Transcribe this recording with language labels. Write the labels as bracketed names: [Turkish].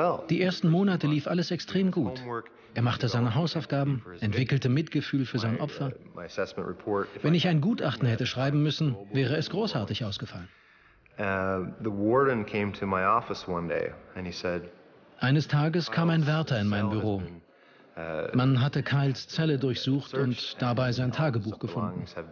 [German] Die ersten Monate lief alles extrem gut. Er machte seine Hausaufgaben, entwickelte Mitgefühl für sein Opfer. Wenn ich ein Gutachten hätte schreiben müssen, wäre es großartig ausgefallen. [English] The warden came to my office one day and he said. [German] Eines Tages kam ein Wärter in mein Büro. Man hatte Kyles Zelle durchsucht und dabei sein Tagebuch gefunden.